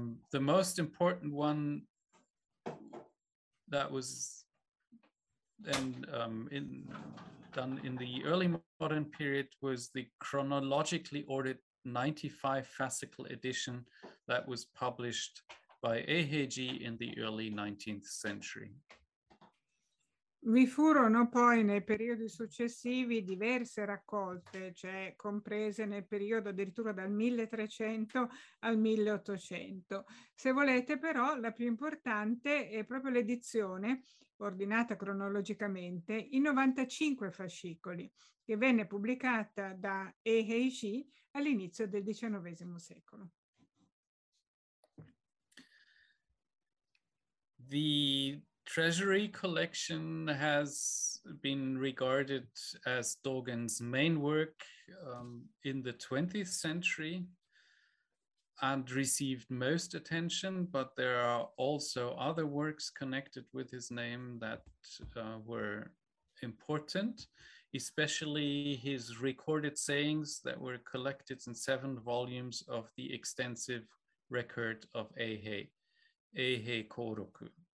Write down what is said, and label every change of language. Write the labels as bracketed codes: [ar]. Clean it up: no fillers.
[en] The most important one that was then done in the early modern period was the chronologically ordered 95 fascicle edition that was published by Eheji in the early 19th century. [it] Vi furono poi nei periodi successivi diverse raccolte, cioè comprese nel periodo addirittura dal 1300 al 1800. Se volete però, la più importante è proprio l'edizione, ordinata cronologicamente, in 95 fascicoli, che venne pubblicata da Eheiji all'inizio del XIX secolo. [en] Treasury collection has been regarded as Dogen's main work in the 20th century and received most attention, but there are also other works connected with his name that were important, especially his recorded sayings that were collected in 7 volumes of the extensive record of Eihei Koroku.